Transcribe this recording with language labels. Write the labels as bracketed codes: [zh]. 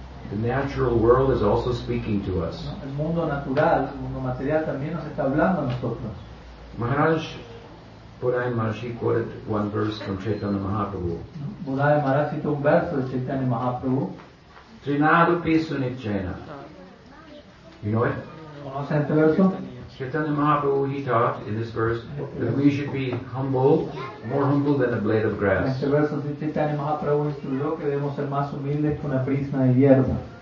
[en] the natural world is also speaking to us. [es] El mundo natural, el mundo material también nos está hablando a nosotros. [en] Maharaj Bodhaya Maharshi quoted one verse from Chaitanya Mahaprabhu. [es] Bodhaya Maharaj citó un verso de Chaitanya Mahaprabhu. [en] Trinadupi sunichena. You know it? [es] ¿Conoce este verso? [en] Chaitanya Mahaprabhu, he taught in this verse that we should be humble, more humble than a blade of grass. [es] Este verso de Chaitanya Mahaprabhu instruyó que debemos ser más humildes que una brizna de hierba.